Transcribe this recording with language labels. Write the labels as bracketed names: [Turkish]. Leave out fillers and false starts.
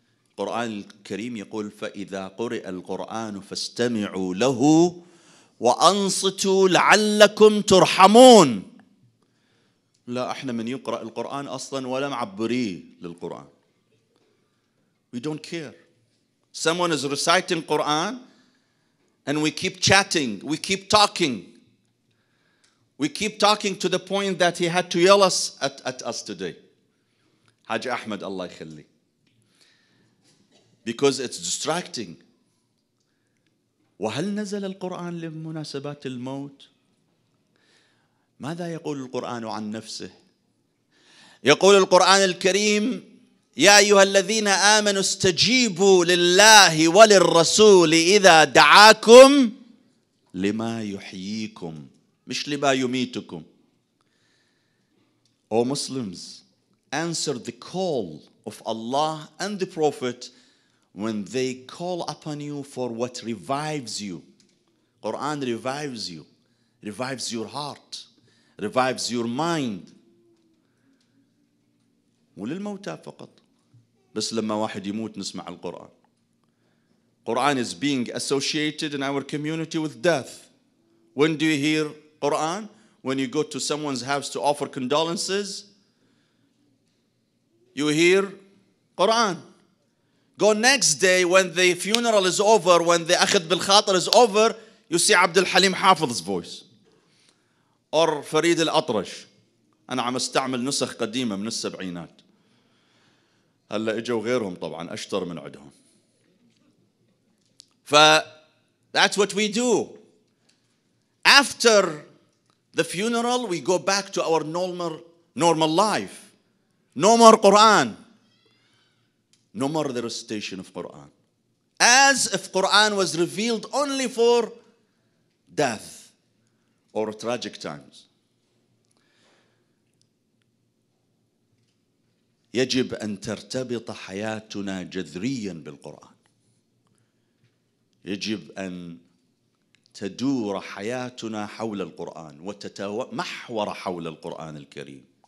[Arabic] القرآن الكريم يقول فإذا قرئ القرآن فاستمعوا له وأنصتوا لعلكم ترحمون. لا احنا من يقرأ القرآن اصلا ولا معبريه للقرآن. [English] We don't care. Someone is reciting Quran and we keep chatting, we keep talking. We keep talking to the point that he had to yell us at us today. [Arabic] حاج احمد الله يخلي. [English] Because it's distracting. [Arabic] وهل نزل القرآن لمناسبات الموت؟ ماذا يقول القرآن عن نفسه؟ يقول القرآن الكريم يا أيها الذين آمنوا استجيبوا لله وللرسول إذا دعاكم لما يحييكم، مش لما يميتكم. [English] O Muslims, answer the call of Allah and the Prophet when they call upon you for what revives you. Quran revives you, revives your heart, revives your mind. [Arabic] وللموتى فقط، بس لما واحد يموت نسمع القرآن. [English] Quran is being associated in our community with death. When do you hear Quran? When you go to someone's house to offer condolences, you hear Quran. Go next day when the funeral is over, when the [Arabic] أخذ بالخاطر [English] is over, you see Abdel Halim حافظ's voice. [Arabic] أو فريد الأطرش. أنا عم استعمل نسخ قديمة من السبعينات، هلأ إجوا غيرهم طبعا أشطر من عندهم. [English] ف that's what we do. After the funeral we go back to our normal life. No more Quran. No more the recitation of Quran. As if Quran was revealed only for death or tragic times. [Arabic] يجب أن ترتبط حياتنا جذريا بالقرآن. يجب أن تدور حياتنا حول القرآن وتتمحور حول القرآن الكريم.